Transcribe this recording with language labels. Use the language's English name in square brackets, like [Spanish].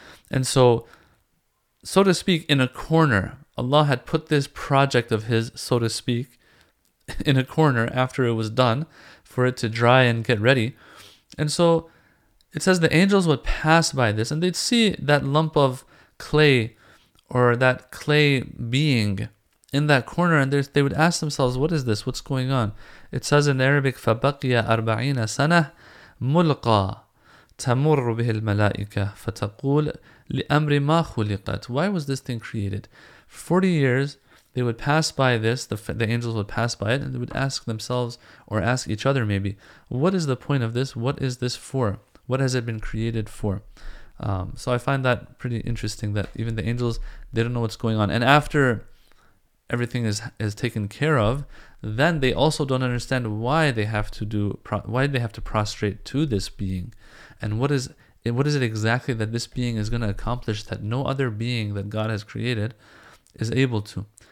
[English] And so to speak, in a corner, Allah had put this project of his, so to speak, in a corner after it was done, for it to dry and get ready. And so it says the angels would pass by this, and they'd see that lump of clay, or that clay being, in that corner, and they would ask themselves, what is this? What's going on? It says in Arabic, [Arabic] فَبَقِيَ أَرْبَعِينَ سَنَةً مُلْقَى تَمُرُّ بِهِ الْمَلَائِكَةِ فَتَقُولْ لِأَمْرِ مَا خُلِقَتْ. [English] Why was this thing created? 40 years, they would pass by this, the angels would pass by it, and they would ask themselves, or ask each other maybe, what is the point of this? What is this for? What has it been created for? So I find that pretty interesting, that even the angels, they don't know what's going on. And after everything is taken care of, then they also don't understand why they have to prostrate to this being, and what is it exactly that this being is going to accomplish that no other being that God has created is able to.